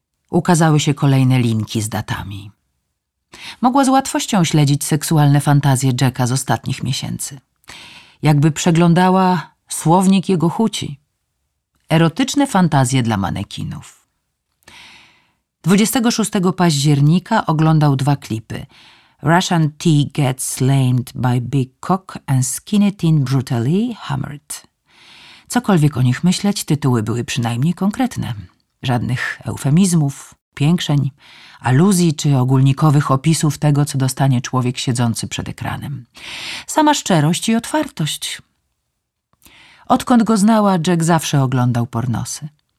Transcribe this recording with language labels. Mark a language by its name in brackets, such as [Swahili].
[Polish] Ukazały się kolejne linki z datami. Mogła z łatwością śledzić seksualne fantazje Jacka z ostatnich miesięcy. Jakby przeglądała słownik jego chuci. Erotyczne fantazje dla manekinów. 26 października oglądał 2 klipy. [English] Russian Tea Gets Lamed by Big Cock and Skinny Teen Brutally Hammered. [Polish] Cokolwiek o nich myśleć, tytuły były przynajmniej konkretne. Żadnych eufemizmów, piększeń, aluzji czy ogólnikowych opisów tego, co dostanie człowiek siedzący przed ekranem. Sama szczerość i otwartość. Odkąd go znała, Jack zawsze oglądał pornosy.